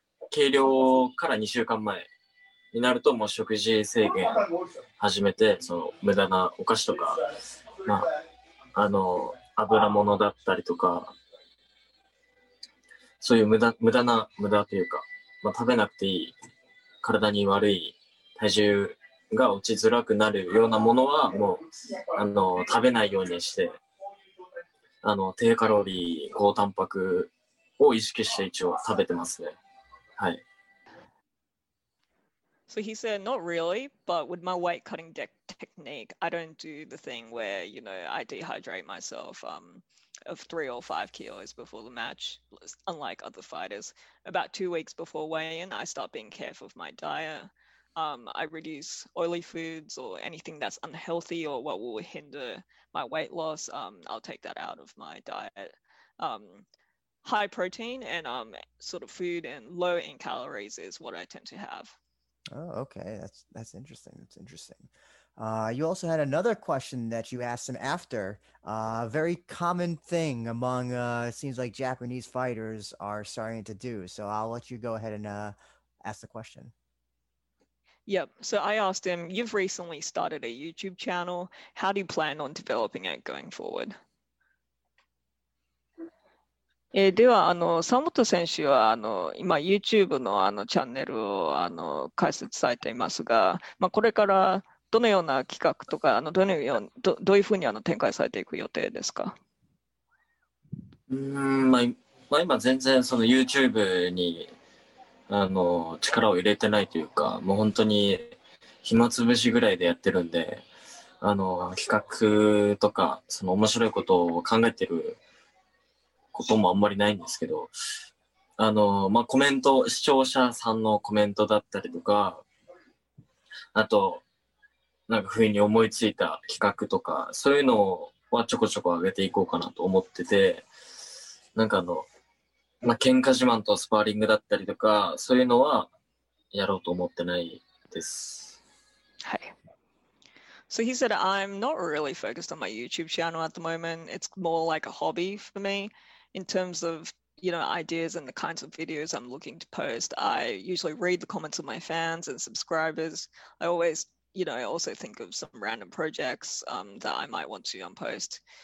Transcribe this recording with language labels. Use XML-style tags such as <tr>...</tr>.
<ja>計量から2週間前になると、もう食事制限始めて、その無駄なお菓子とか、まあ、油物だったりとか、そういう無駄というか、まあ、食べなくていい、体に悪い、体重が落ちづらくなるようなものはもう食べないようにして、低カロリー高タンパクを意識して一応食べてますね。はい。</ja> <en>So he said, not really, but with my weight cutting technique, I don't do the thing where, you know, I dehydrate myself of 3 or 5 kilos before the match, unlike other fighters. About 2 weeks before weigh-in, I start being careful of my diet. I reduce oily foods or anything that's unhealthy or what will hinder my weight loss. I'll take that out of my diet. High protein and sort of food and low in calories is what I tend to have. Oh, okay. That's interesting. That's interesting. You also had another question that you asked him after. A very common thing among, seems like, Japanese fighters are starting to do. So I'll let you go ahead and ask the question. Yep. So I asked him, you've recently started a YouTube channel. How do you plan on developing it going forward?</en> <ja>では、沢本選手は今 YouTube の, チャンネルを開設されていますが、まあ、これからどのような企画とか、どういうふうに展開されていく予定ですか？今全然その YouTube に力を入れてないというか、もう本当に暇つぶしぐらいでやってるんで、企画とかその面白いことを考えてることもあんまりないんですけど、まあ、コメント、視聴者さんのコメントだったりとか、あとなんか不意に思いついた企画とか、そういうのはちょこちょこ上げていこうかなと思ってて、なんかまあ、喧嘩自慢とスパーリングだったりとか、そういうのはやろうと思ってないです。はい。</ja> <en>So he said, I'm not really focused on my YouTube channel at the moment. It's more like a hobby for me. In terms of, you know, ideas and the kinds of videos I'm looking to post, I usually read the comments of my fans and subscribers. I always, you know, also think of some random projects that I might want to post.</en>